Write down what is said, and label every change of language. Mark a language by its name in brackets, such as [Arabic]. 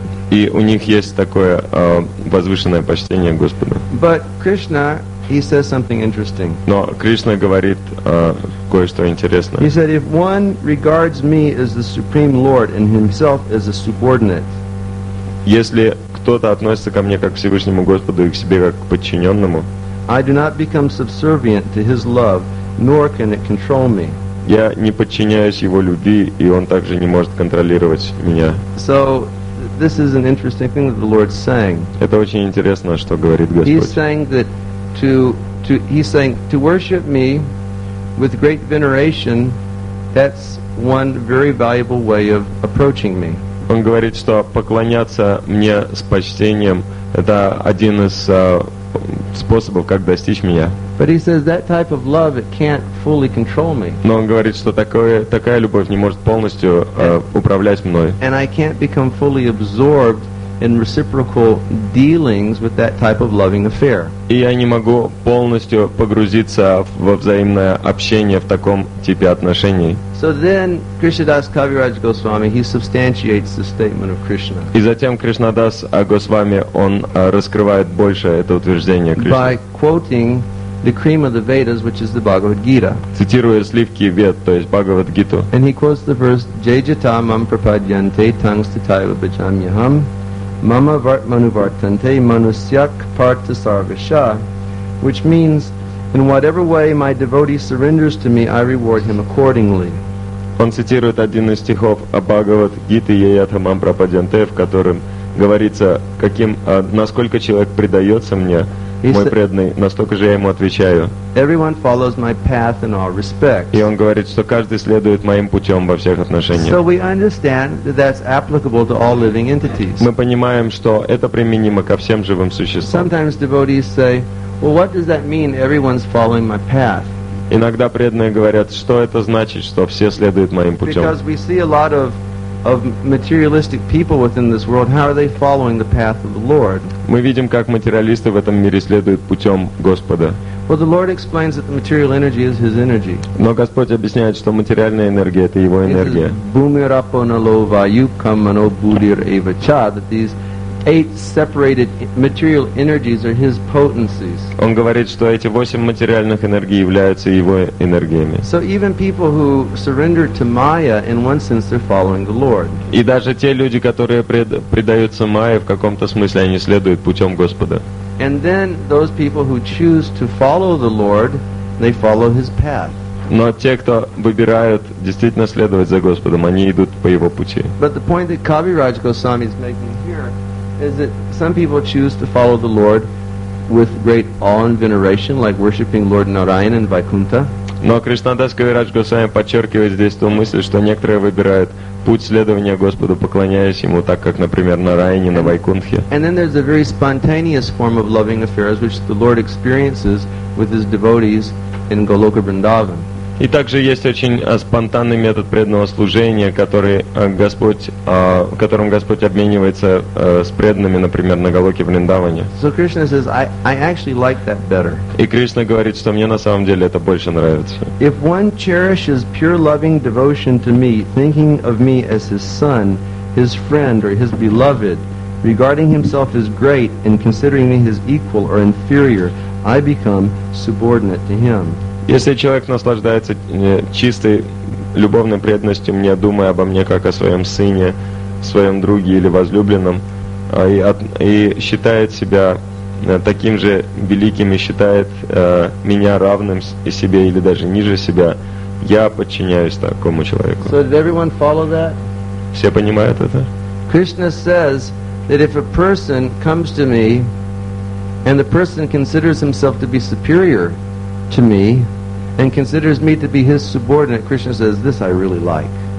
[Russian] И у них есть такое возвышенное почтение Господу. [English] But Krishna, he says something interesting. [Russian] Но Кришна говорит кое-что интересное. [English] He said, if one regards me as the supreme Lord and himself as a subordinate. [Russian] Если кто-то относится ко мне как к Всевышнему Господу и к себе как к подчиненному. [English] I do not become subservient to his love, nor can it control me. [Russian] Я не подчиняюсь его любви, и он также не может контролировать меня. [English] So this is an interesting thing that the Lord's saying. [Russian] Это очень интересно, что говорит Господь. [English] He's saying that he's saying to worship me with great veneration, that's one very valuable way of approaching me. [Russian] Он говорит, что поклоняться мне с почтением это один из способов, как достичь меня. [English] But he says that type of love it can't fully control me. [Russian] Но он говорит, что такая любовь не может полностью управлять мной. [English] And I can't become fully absorbed in reciprocal dealings with that type of loving affair. [Russian] И я не могу полностью погрузиться во взаимное общение в таком типе отношений. [English] So then Krishnadas Kaviraj Goswami, he substantiates the statement of Krishna. [Russian] И затем Кришнадас Госвами, он раскрывает больше это утверждение Кришны. [English] By quoting the cream of the Vedas, which is the Bhagavad Gita. [Russian] Цитируя сливки Вед, то есть Бхагавад Гиту. [English] And he quotes the verse [Sanskrit] Jayajata mam prapadyante tangstitaiva bhajamyaham mama vartmanuvartante manusyak partha sarvasha, [English] which means, in whatever way my devotee surrenders to me, I reward him accordingly. [Russian] Он цитирует один из стихов Бхагавад Гиты [Sanskrit] Jayajata mam prapadyante, [Russian] в котором говорится, каким, насколько человек предается мне, мой преданный, настолько же я ему отвечаю. [English] Everyone follows my path in all respects. [Russian] И он говорит, что каждый следует моим путем во всех отношениях. [English] So we understand that that's applicable to all living entities. [Russian] Мы понимаем, что это применимо ко всем живым существам. [English] Sometimes devotees say, well, what does that mean, everyone's following my path? [Russian] Иногда преданные говорят, что это значит, что все следуют моим путем. [English] Because we see a lot of materialistic people within this world, how are they following the path of the Lord? [Russian] Мы видим, как материалисты в этом мире следуют путем Господа. [English] Well, the Lord explains that the material energy is His energy. [Russian] Но Господь объясняет, что материальная энергия — это Его энергия. [Sanskrit] Бумирапо налова юкамано будир эвача, [English] that these eight separated material energies are His potencies. [Russian] Он говорит, что эти восемь материальных энергий являются Его энергиями. [English] So even people who surrender to Maya, in one sense, they're following the Lord. [Russian] И даже те люди, которые предаются Майе, в каком-то смысле они следуют путем Господа. [English] And then those people who choose to follow the Lord, they follow His path. [Russian] Но те, кто выбирают действительно следовать за Господом, они идут по Его пути. [English] But the point that Kaviraj Goswami is making here is that some people choose to follow the Lord with great awe and veneration, like worshipping Lord Narayana in Vaikuntha. [Russian] Но Кришнадас Кавирадж Госвами подчеркивает здесь ту мысль, что некоторые выбирают путь следования Господу, поклоняясь Ему так, как, например, на Райане, на Вайкунтхе. [English] And then there's a very spontaneous form of loving affairs, which the Lord experiences with His devotees in Goloka Vrindavan. [Russian] И также есть очень спонтанный метод преданного служения, который Господь, которым Господь обменивается с преданными, например, на Голоке Вриндаване. [English] So Krishna says, I actually like that better. [Russian] И Кришна говорит, что мне на самом деле это больше нравится. [English] If one cherishes pure loving devotion to me, thinking of me as his son, his friend, or his beloved, regarding himself as great and considering me his equal or inferior, I become subordinate to him. [Russian] Если человек наслаждается чистой любовной преданностью мне, думая обо мне как о своем сыне, своем друге или возлюбленном, и считает себя таким же великим и считает меня равным себе или даже ниже себя, я подчиняюсь такому человеку. [English] So did everyone follow that? [Russian] Все понимают это? [English] Krishna says that if a person comes to me and the person considers himself to be superior to me and considers me to be his subordinate, Krishna says, this I really like.